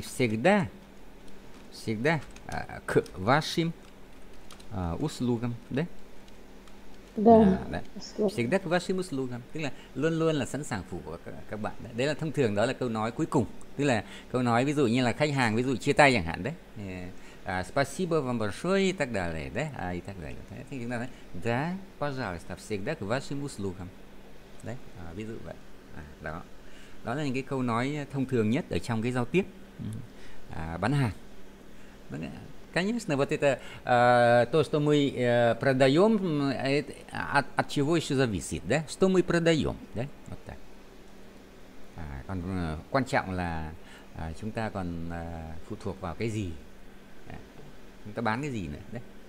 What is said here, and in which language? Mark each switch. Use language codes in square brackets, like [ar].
[ru] Всегда, всегда к вашим услугам, đấy. [vi] Đấy. [ru] Всегда к вашим услугам, [vi] tức là luôn luôn là sẵn sàng phục vụ các bạn. Đấy là thông thường, đó là câu nói cuối cùng. Tức là câu nói ví dụ như là khách hàng ví dụ chia tay chẳng hạn đấy. [ru] Спасибо вам большое и так далее, да? И так далее. [vi] Thế chúng ta nói, [ru] да, пожалуйста, всегда к вашим услугам. [vi] Đấy, ví dụ vậy. Đó. Đó là những cái câu nói thông thường nhất ở trong cái giao tiếp bán hàng. [ru] Конечно, вот это то, что мы продаем, от чего еще зависит, да? Что мы продаем, да? Вот так. [vi] Còn quan trọng là chúng ta còn phụ thuộc vào cái gì? Chúng ta bán cái gì nữa đấy.